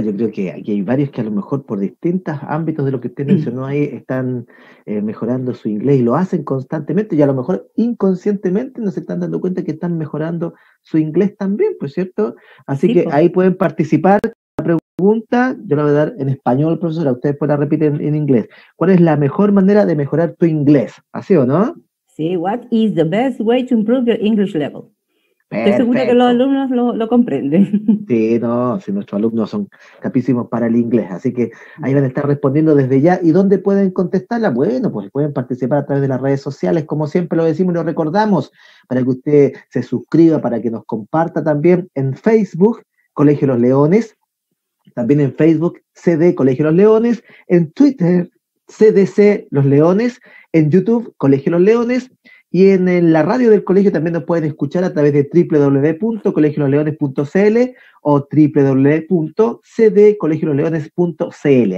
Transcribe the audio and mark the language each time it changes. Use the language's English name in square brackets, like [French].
[Spanish] Yo creo que aquí hay varios que a lo mejor por distintos ámbitos de lo que usted mencionó ahí están mejorando su inglés y lo hacen constantemente y a lo mejor inconscientemente no se están dando cuenta que están mejorando su inglés también, ¿pues cierto? Así sí, que ahí pueden participar. La pregunta, yo la voy a dar en español, profesora, usted después la repite en inglés. ¿Cuál es la mejor manera de mejorar tu inglés? ¿Así o no? [English] Sí, what is the best way to improve your English level? [Spanish] Perfecto. Estoy segura que los alumnos lo comprenden. Sí, no, si nuestros alumnos son capísimos para el inglés, así que ahí van a estar respondiendo desde ya. ¿Y dónde pueden contestarla? Bueno, pues pueden participar a través de las redes sociales, como siempre lo decimos y lo recordamos, para que usted se suscriba, para que nos comparta también en Facebook, Colegio Los Leones, también en Facebook, CD Colegio Los Leones, en Twitter, CDC Los Leones, en YouTube, Colegio Los Leones, y en la radio del colegio también nos pueden escuchar a través de www.colegiololeones.cl o www.cdcolegiololeones.cl.